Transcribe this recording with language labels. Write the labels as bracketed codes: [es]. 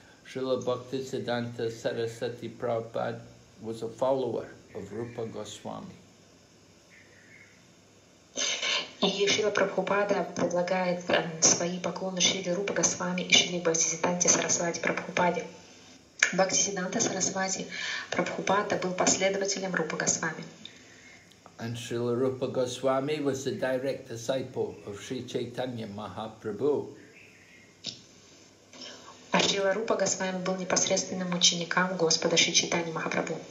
[en] Srila Bhaktisiddhanta Sarasvati Prabhupada was a follower of Rupa Goswami. [ru] И Шрила Прабхупада предлагает свои поклоны Шриле Рупа Госвами и Шриле Бхактисиддханте Сарасвати Прабхупаде. Бхактисиддханта Сарасвати Прабхупада был последователем Рупа Госвами. [en] And Srila Rupa Goswami was the direct disciple of Sri Chaitanya Mahaprabhu. [ru] Шрила Рупа Госвами был непосредственным учеником Господа Шри Чайтаньи Махапрабху.